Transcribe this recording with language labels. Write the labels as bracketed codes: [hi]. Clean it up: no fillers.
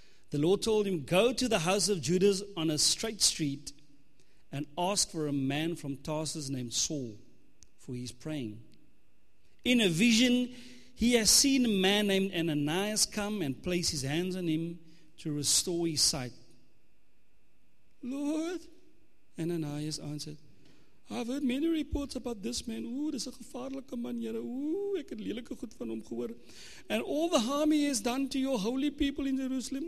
[en] The Lord told him, go to the house of Judas on a straight street and ask for a man from Tarsus named Saul, for he's praying. In a vision, he has seen a man named Ananias come and place his hands on him to restore his sight. Lord, Ananias answered, I've heard many reports about this man. [af] Ooh, dis 'n gevaarlike man, Here. Ooh, ek het lelike goed van hom gehoor. [en] And all the harm he has done to your holy people in Jerusalem.